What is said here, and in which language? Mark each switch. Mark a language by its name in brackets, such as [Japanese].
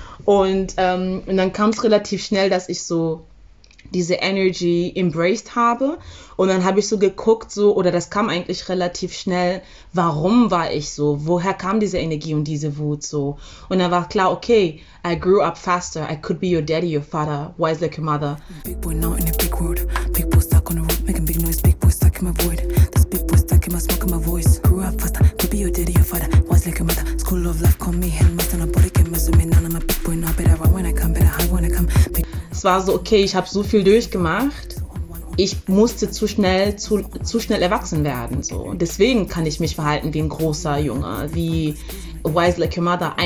[German] Und dann kam es relativ schnell, dass ich so diese [English] Energy embraced [German] habe. Und dann habe ich so geguckt, so, oder das kam eigentlich relativ schnell, warum war ich so? Woher kam diese Energie und diese Wut so? Und dann war klar, okay, [English] I grew up faster. I could be your daddy, your father. Wise like your mother. Big boy now in a big world. Big boy stuck on the road, making big noise. Big boy stuck in my void. This big boy stuck in my smoke and my voice. Grew up faster, could be your daddy, your father. Wise like your mother. School of life, call me headmaster. Nobody can mess with me. None of my big boy, no, better run when I come, better hide when I come. [German] Es war so, okay, ich habe so viel durchgemacht, ich musste zu schnell erwachsen werden. So. Deswegen kann ich mich verhalten wie ein großer Junge, wie [English] wise like your mother.